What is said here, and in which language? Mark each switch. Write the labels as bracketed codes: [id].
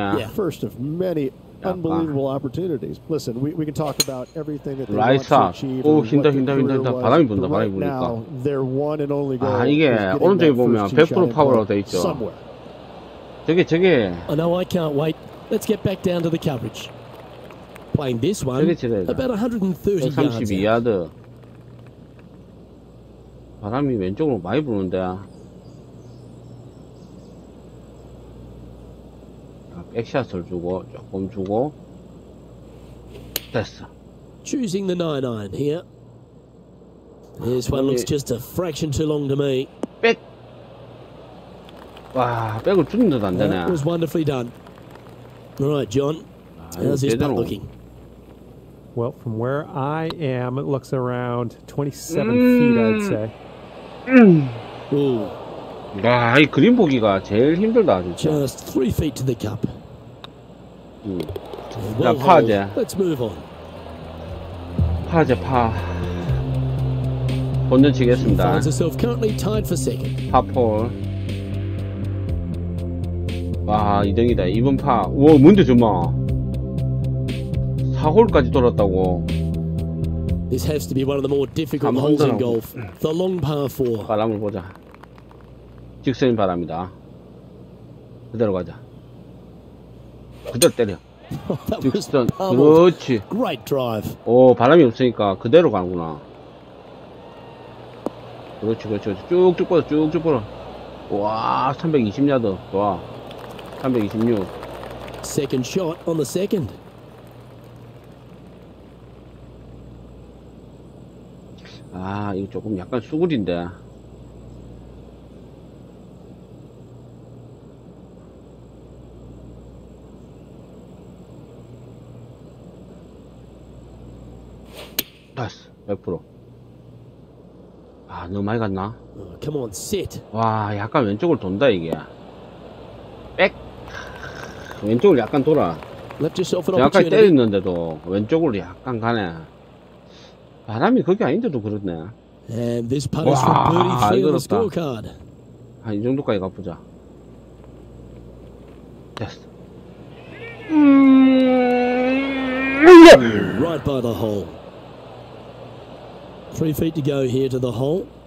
[en] first of many unbelievable opportunities. Listen, we can talk about everything that they want to achieve. [ko] Oh, 힌다 바람이 분다 바람이 부니까. 아 이게 오른쪽에 보면 100% 파워로 돼 있죠. 저게. [en] I know I can't wait. Let's get back down to the coverage. Playing this one about 132 yards. [ko] 바람이 왼쪽으로 많이 부는데 백샷을 주고 조금 주고 됐어. [en] Choosing the 9-iron here. This one looks just a fraction too long to me. [ko] 백. 와, 백을 주는 듯 안 되네. [en] It was wonderfully done. Alright, John. How's this putt looking? Well, from where I am, it looks around 27 feet, I'd say. [ko] 와, 이 그린 보기가 제일 힘들다 진짜. [en] Just 3 feet to the cup. [ko] 자, 파제. [en] Let's move on. [ko] 파제 파. 본전 치겠습니다. [en] Finds herself currently tied for second. [ko] 파폴. 와, 2등이다. 이번 파. 우와, 뭔데 정말. 4홀까지 돌았다고. [en] This has to be one of the more difficult holes in golf. The long par 4. [ko] 바람을 보자. 직선인 바람이다. 그대로 가자. 그대로 때려. 직선. 그렇지. [en] Great drive. [ko] 오, 바람이 없으니까 그대로 가는구나. 그렇지, 그렇지. 쭉쭉 뻗어, 쭉쭉 뻗어. 와, 320야드. 좋아. 326. Second shot on the second. 아, 이거 조금 약간 수그린데. 나이스, 100%. 아, 너무 많이 갔나? [en] Come on, sit. [ko] 와, 약간 왼쪽을 돈다, 이게. 백! 왼쪽을 약간 돌아. 약간 때렸는데도, 왼쪽으로 약간 가네. 바람이 그게 아닌데도 그렇네. [en] And this putt is from birdie 3 on the scorecard. [ko] 아, 이 정도까지 가보자. 됐어. [en] Right by the hole. 3 feet to go here to the hole.